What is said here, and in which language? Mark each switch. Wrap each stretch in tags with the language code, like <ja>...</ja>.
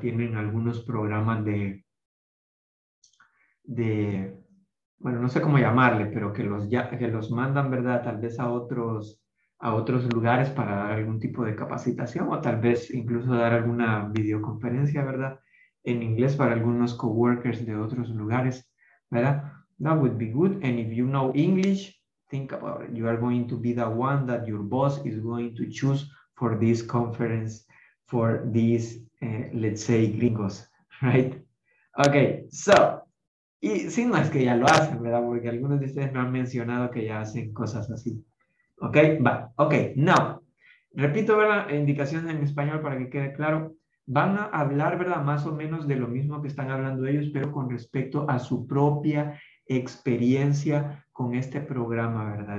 <es>Tienen algunos programas bueno, no sé cómo llamarle, pero que los mandan, ¿verdad? Tal vez a otros lugares para dar algún tipo de capacitación o tal vez incluso dar alguna videoconferencia, ¿verdad? En inglés para algunos coworkers de otros lugares, ¿verdad?</es> <en>That would be good. And if you know English, think about it. You are going to be the one that your boss is going to choose for this conference, for these, let's say, gringos, right?</en> <es>Okay, so, y si no es que ya lo hacen, ¿verdad? Porque algunos de ustedes me han mencionado que ya hacen cosas así. Okay, va. Okay, now, repito, ¿verdad? Indicaciones en español para que quede claro. Van a hablar, ¿verdad? Más o menos de lo mismo que están hablando ellos, pero con respecto a su propia experiencia con este programa, ¿verdad?</es>